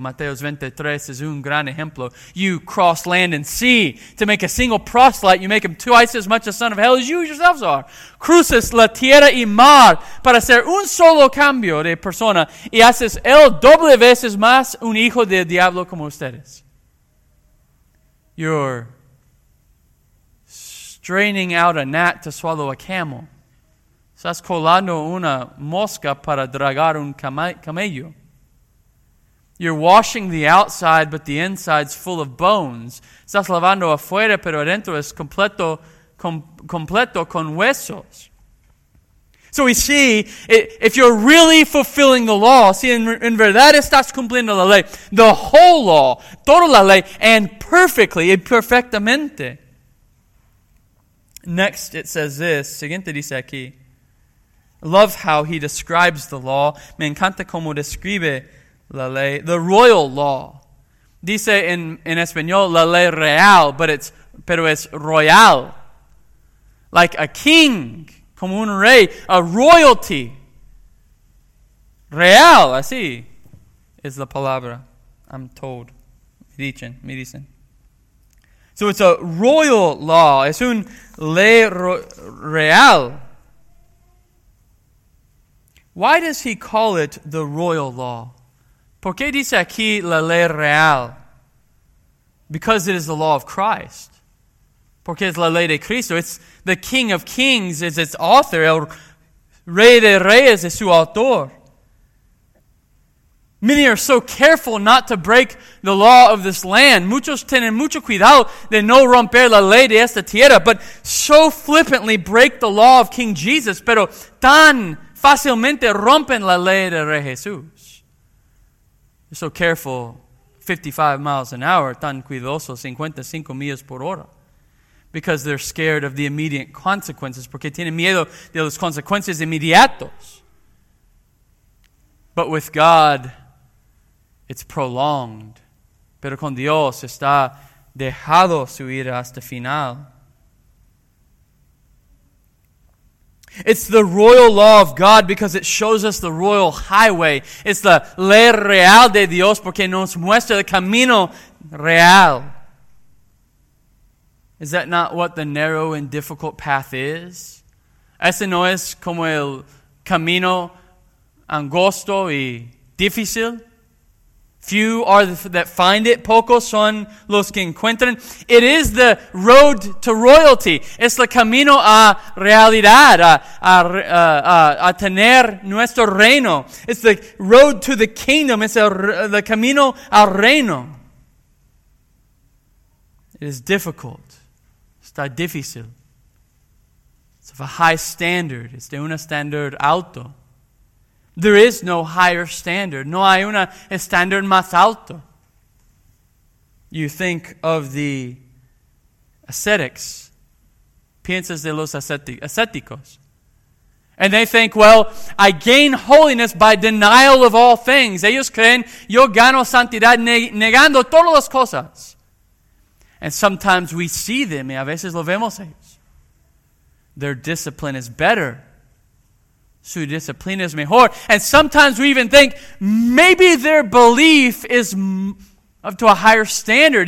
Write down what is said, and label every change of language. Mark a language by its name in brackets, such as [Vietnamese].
[Spanish] Mateo 23 is un gran ejemplo. [English] You cross land and sea to make a single proselyte. You make him twice as much a son of hell as you yourselves are. [Spanish] Cruces la tierra y mar para hacer un solo cambio de persona. Y haces él doble veces más un hijo del diablo como ustedes. [English] You're straining out a gnat to swallow a camel. [Spanish] Estás colando una mosca para dragar un camello. [English] You're washing the outside, but the inside's full of bones. [Spanish] Estás lavando afuera, pero adentro es completo con huesos. [English] So we see, if you're really fulfilling the law, [Spanish] si en verdad estás cumpliendo la ley, [English] the whole law, [Spanish] toda la ley, [English] and perfectly, [Spanish] y perfectamente. [English] Next, it says this, [Spanish] siguiente dice aquí, [English] love how he describes the law. [Spanish] Me encanta cómo describe la ley. [English] The royal law. [Spanish] Dice en español, la ley real, pero es royal. [English] Like a king, [Spanish] como un rey, [English] a royalty. [Spanish] Real, así es la palabra. [English] I'm told. [Spanish] Me dicen. [English] So it's a royal law. [Spanish] Es un ley real. [English] Why does he call it the royal law? [Spanish] ¿Por qué dice aquí la ley real? [English] Because it is the law of Christ. [Spanish] Porque es la ley de Cristo. [English] It's the King of Kings is its author. [Spanish] El Rey de Reyes es su autor. [English] Many are so careful not to break the law of this land. [Spanish] Muchos tienen mucho cuidado de no romper la ley de esta tierra, [English] but so flippantly break the law of King Jesus, [Spanish] pero tan fácilmente rompen la ley de Rey Jesús. [English] They're so careful, 55 miles an hour, [Spanish] tan cuidoso, 55 millas por hora, [English] because they're scared of the immediate consequences, [Spanish] porque tienen miedo de las consecuencias inmediatas. [English] But with God, it's prolonged. [Spanish] Pero con Dios está dejado su ira hasta final. [English] It's the royal law of God because it shows us the royal highway. It's the [Spanish] ley real de Dios porque nos muestra el camino real. [English] Is that not what the narrow and difficult path is? [Spanish] ¿Ese no es como el camino angosto y difícil? [English] Few are that find it. [Spanish] Pocos son los que encuentran. [English] It is the road to royalty. [Spanish] Es el camino a realidad, a tener nuestro reino. [English] It's the road to the kingdom. [Spanish] Es el camino al reino. [English] It is difficult. [Spanish] Está difícil. [English] It's of a high standard. [Spanish] Es de un standard alto. [English] There is no higher standard. [Spanish] No hay un estándar más alto. [English] You think of the ascetics. [Spanish] Piensas de los ascéticos. [English] And they think, well, I gain holiness by denial of all things. [Spanish] Ellos creen, yo gano santidad negando todas las cosas. [English] And sometimes we see them, [Spanish] y a veces lo vemos ellos. [English] Their discipline is better. [Spanish] Su disciplina es mejor. [English] And sometimes we even think, maybe their belief is up to a higher standard.